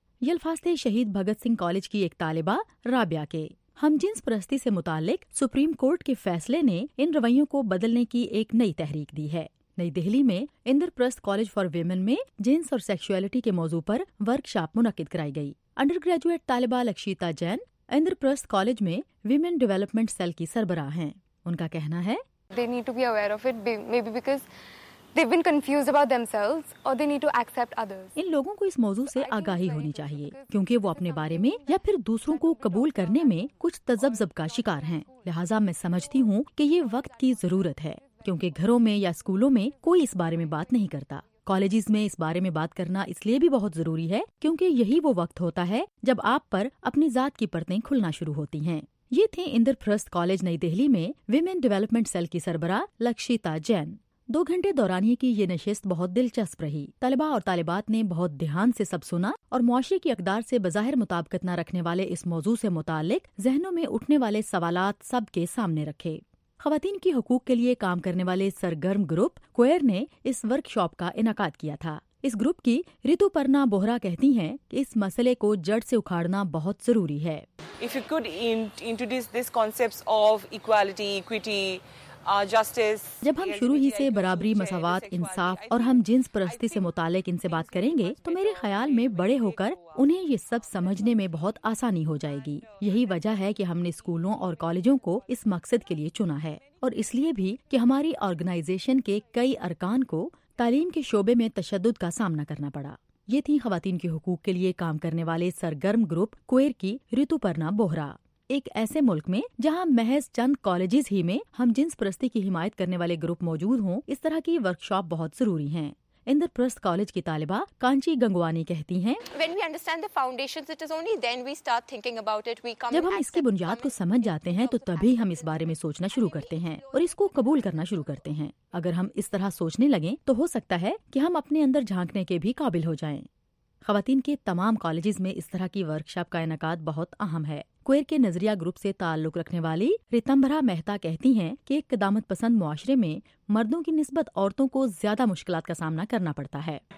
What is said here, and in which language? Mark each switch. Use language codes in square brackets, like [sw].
[ur] یہ الفاظ تھے شہید بھگت سنگھ کالج کی ایک طالبہ رابعہ کے۔ ہم جنس پرستی سے متعلق سپریم کورٹ کے فیصلے نے ان رویوں کو بدلنے کی ایک نئی تحریک دی ہے۔ نئی دہلی میں اندر پرست کالج فار ویمن میں جنس اور سیکشوالٹی کے موضوع پر ورک شاپ منعقد کرائی گئی۔ انڈر گریجویٹ طالبہ لکشیتا جین اندر پرست کالج میں ویمن ڈیولپمنٹ سیل کی سربراہ ہیں۔ ان کا کہنا ہے، [en] they need to be aware of it, maybe because they've been confused about themselves or they need to accept others. [ur] ان لوگوں کو اس موضوع سے آگاہی ہونی چاہیے، کیونکہ وہ اپنے بارے میں یا پھر دوسروں کو قبول کرنے میں کچھ تذبذب کا شکار ہیں۔ لہٰذا میں سمجھتی ہوں کہ یہ وقت کی ضرورت ہے، کیونکہ گھروں میں یا اسکولوں میں کوئی اس بارے میں بات نہیں کرتا۔ کالجز میں اس بارے میں بات کرنا اس لیے بھی بہت ضروری ہے کیونکہ یہی وہ وقت ہوتا ہے جب آپ پر اپنی ذات کی پرتیں کھلنا شروع ہوتی ہیں۔ یہ تھے اندر پرست کالج نئی دہلی میں ویمن ڈیولپمنٹ سیل کی سربراہ لکشیتا جین۔ دو گھنٹے دورانیے کی یہ نشست بہت دلچسپ رہی۔ طلبہ اور طالبات نے بہت دھیان سے سب سنا اور معاشرے کی اقدار سے بظاہر مطابقت نہ رکھنے والے اس موضوع سے متعلق ذہنوں میں اٹھنے والے سوالات سب کے سامنے رکھے۔ خواتین کے حقوق کے لیے کام کرنے والے سرگرم گروپ کوئر نے اس ورک شاپ کا انعقاد کیا تھا۔ اس گروپ کی ریتو پرنا بوہرا کہتی ہیں کہ اس مسئلے کو جڑ سے اکھاڑنا بہت ضروری ہے۔ [en] If you could introduce this concepts of equality, equity, justice, [ur] جب ہم شروع ہی سے برابری، مساوات، انصاف اور ہم جنس پرستی سے متعلق ان سے بات کریں گے تو میرے خیال میں بڑے ہو کر انہیں یہ سب سمجھنے میں بہت آسانی ہو جائے گی۔ یہی وجہ ہے کہ ہم نے اسکولوں اور کالجوں کو اس مقصد کے لیے چنا ہے، اور اس لیے بھی کہ ہماری آرگنائزیشن کے کئی ارکان کو تعلیم کے شعبے میں تشدد کا سامنا کرنا پڑا۔ یہ تھیں خواتین کے حقوق کے لیے کام کرنے والے سرگرم گروپ کوئر کی ریتو پرنا بوہرا۔ ایک ایسے ملک میں جہاں محض چند کالجز ہی میں ہم جنس پرستی کی حمایت کرنے والے گروپ موجود ہوں، اس طرح کی ورکشاپ بہت ضروری ہیں۔ اندر پرست کالج کی طالبہ کانچی گنگوانی کہتی ہیں، [en] When we understand the foundations, it is only then we start thinking about it. We come [ur] جب ہم اس کی بنیاد کو سمجھ جاتے ہیں تو تبھی ہم اس بارے میں سوچنا شروع کرتے ہیں اور اس کو قبول کرنا شروع کرتے ہیں۔ اگر ہم اس طرح سوچنے لگیں تو ہو سکتا ہے کہ ہم اپنے اندر جھانکنے کے بھی قابل ہو جائیں۔ خواتین کے تمام کالجز میں اس طرح کی ورکشاپ کا انعقاد بہت اہم ہے۔ کوئر کے نظریہ گروپ سے تعلق رکھنے والی ریتمبھرا مہتا کہتی ہیں کہ ایک قدامت پسند معاشرے میں مردوں کی نسبت عورتوں کو زیادہ مشکلات کا سامنا کرنا پڑتا ہے۔